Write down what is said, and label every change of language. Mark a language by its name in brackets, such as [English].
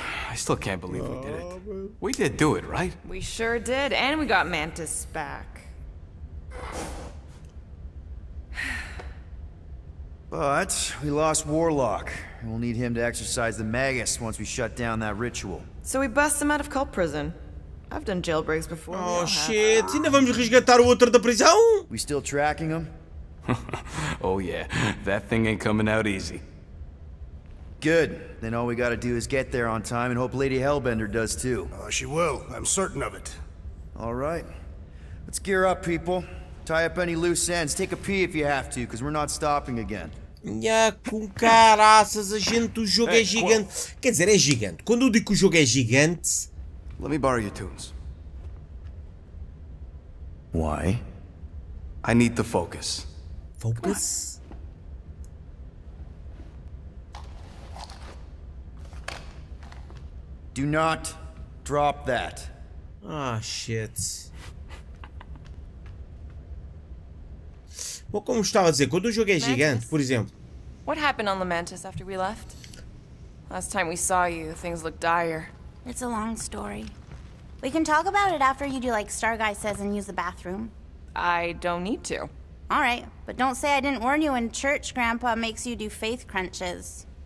[English] I still can't believe we did it. We did do it, right? We sure did, and we got Mantis back. But we lost Warlock. We'll need him to exercise the Magus once we shut down that ritual. So we bust him out of cult prison. I've done jailbreaks before. Oh shit, [Portuguese] ainda vamos resgatar o outro da prisão? [English] We still tracking him? Oh yeah, that thing ain't coming out easy. Good, then all we gotta do is get there on time and hope Lady Hellbender does too. She will, I'm certain of it. All right, let's gear up, people. Tie up any loose ends. Take a pee if you have to, because we're not stopping again. [Portuguese] Yeah, com caraças, a gente, o jogo é gigante. Quer dizer, é gigante. Quando eu digo que o jogo é gigante... [English] Let me borrow your tunes. Why? I need the focus. Focus? Do not drop that. Ah, shit. [Portuguese] Bom, como estava a dizer, quando o jogo é gigante, por exemplo. [English] What happened on Lamentus after we left? Last time we saw you, things looked dire. It's a long story. We can talk about it after you do like Star Guy says and use the bathroom. I don't need to. All right, but don't say I didn't warn you in church Grandpa makes you do faith crunches.